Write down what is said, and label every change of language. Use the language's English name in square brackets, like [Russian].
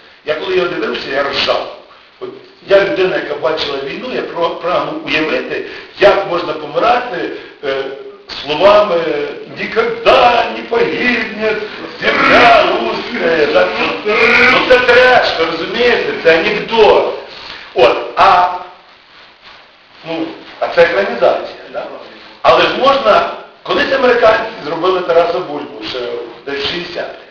[Ukrainian] Я коли його дивився, я ржав. От, я людина, яка бачила війну, я прагнув уявити, як можна помирати [Russian] словами «Никогда не погибнет земля русская». Да? [Ukrainian] Ну це трешка, розумієте, це анекдот. От, а це екранізація, да? Але ж можна, коли це американці зробили Тараса Бульбу, ще десь 60-х?